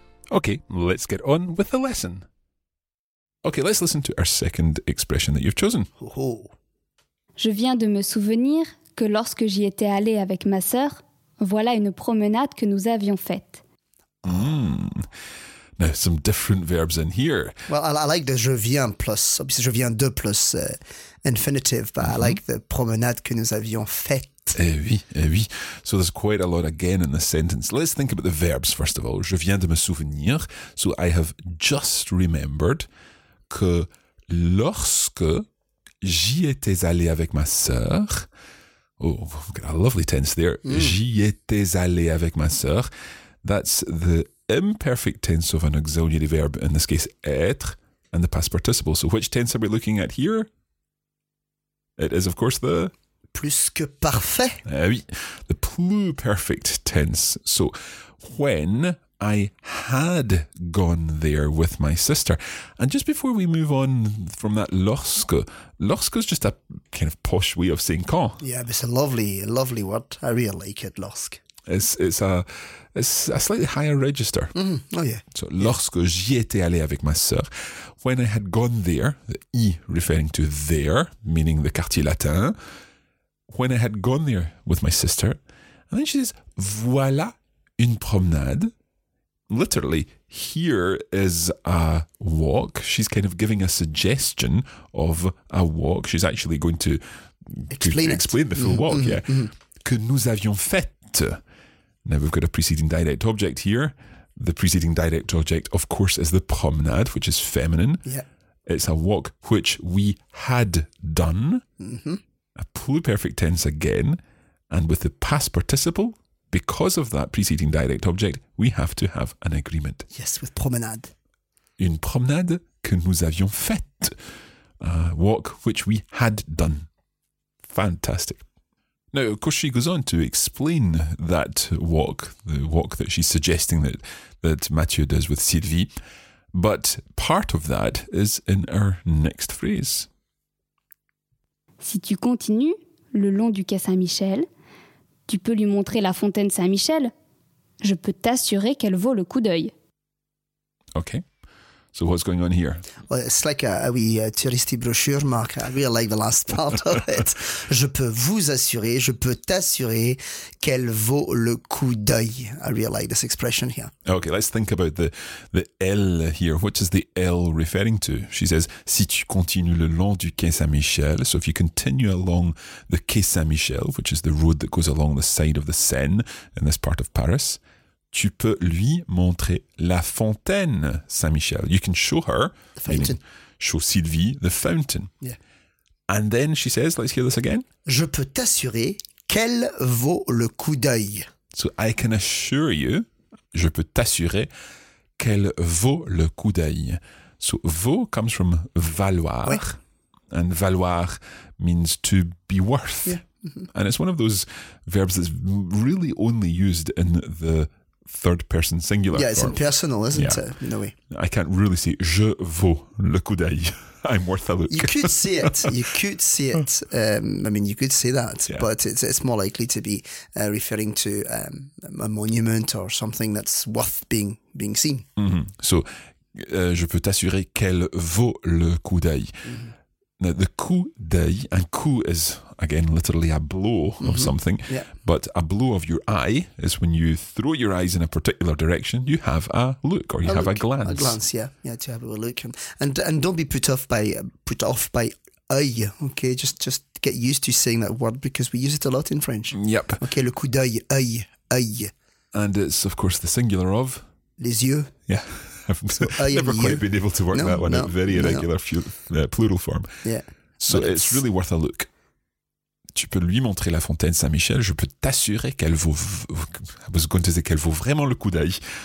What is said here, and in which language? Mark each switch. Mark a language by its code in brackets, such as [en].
[en] Okay, let's get on with the lesson. Okay, let's listen to our second expression that you've chosen. Ho-ho. [fr] Je viens de me souvenir que lorsque j'y étais allée avec ma sœur, voilà une promenade que nous avions faite. [en] Now, some different verbs in here. Well, I like the [fr] je viens [en] plus, obviously [fr] je viens de [en] plus infinitive, but I like the [fr] promenade que nous avions faite. Eh oui. [en] So there's quite a lot again in the sentence. Let's think about the verbs first of all. [fr] Je viens de me souvenir. [en] So I have just remembered [fr] que lorsque... J'y étais allé avec ma sœur. [en] Oh, we've got a lovely tense there. [fr] J'y étais allé avec ma sœur. [en] That's the imperfect tense of an auxiliary verb, in this case, être, and the past participle. So which tense are we looking at here? It is, of course, the... [fr] Plus que parfait. Oui, [en] the pluperfect tense. So when I had gone there with my sister. And just before we move on from that lorsque is just a kind of posh way of saying quand. Yeah, but it's a lovely, lovely word. I really like it, lorsque. It's a slightly higher register. Mm-hmm. Oh, yeah. So, [fr] lorsque j'y étais allé avec ma sœur, [en] when I had gone there, the I referring to there, meaning the Quartier Latin, when I had gone there with my sister, and then she says, [fr] voilà une promenade. [en] Literally, here is a walk. She's kind of giving a suggestion of a walk. She's actually going to explain the full walk. [fr] Que nous avions fait. [en] Now we've got a preceding direct object here. The preceding direct object, of course, is the promenade, which is feminine. Yeah. It's a walk which we had done. Mm-hmm. A pluperfect tense again. And with the past participle, because of that preceding direct object, we have to have an agreement. Yes, with promenade. [fr] Une promenade que nous avions faite. [en] A walk which we had done. Fantastic. Now, of course, she goes on to explain that walk, the walk that she's suggesting that Mathieu does with Sylvie. But part of that is in our next phrase. [fr] Si tu continues le long du quai Saint-Michel, tu peux lui montrer la fontaine Saint-Michel. Je peux t'assurer qu'elle vaut le coup d'œil. [en] Okay. So what's going on here? Well, it's like a touristy brochure, Mark. I really like the last part of it. [fr] Je peux vous assurer, je peux t'assurer qu'elle vaut le coup d'œil. [en] I really like this expression here. Okay, let's think about the elle here. What is the elle referring to? She says, [fr] si tu continues le long du Quai Saint-Michel. [en] So if you continue along the Quai Saint-Michel, which is the road that goes along the side of the Seine in this part of Paris, [fr] tu peux lui montrer la fontaine Saint-Michel. [en] You can show her, the fountain. Show Sylvie the fountain. Yeah. And then she says, let's hear this again. [fr] Je peux t'assurer qu'elle vaut le coup d'œil. [en] So I can assure you, [fr] je peux t'assurer qu'elle vaut le coup d'œil. [en] So vaut comes from valoir. [fr] Oui. [en] And valoir means to be worth. Yeah. Mm-hmm. And it's one of those verbs that's really only used in the third person singular. Yeah, it's impersonal, isn't it? In a way. I can't really say, [fr] je vaux le coup d'œil. [en] I'm worth a look. You could see it. You could say that. Yeah. But it's more likely to be referring to a monument or something that's worth being seen. Mm-hmm. [fr] So, je peux t'assurer qu'elle vaut le coup d'œil. Mm-hmm. [en] Now, the coup d'œil, and coup is, again, literally a blow of mm-hmm. something. Yeah. But a blow of your eye is when you throw your eyes in a particular direction, you have a look or you have a glance. A glance, yeah. Yeah, to have a look. And don't be put off by œil, okay? Just get used to saying that word because we use it a lot in French. Yep. [fr] Okay, le coup d'œil, œil, œil. [en] And it's, of course, the singular of? [fr] Les yeux. [en] Yeah. I've never quite been able to work that one out. Plural form. Yeah. So it's really worth a look. [fr] Tu peux lui montrer la fontaine Saint-Michel, je peux t'assurer qu'elle vaut. [en] I was going to say [fr] qu'elle vaut vraiment le coup d'œil.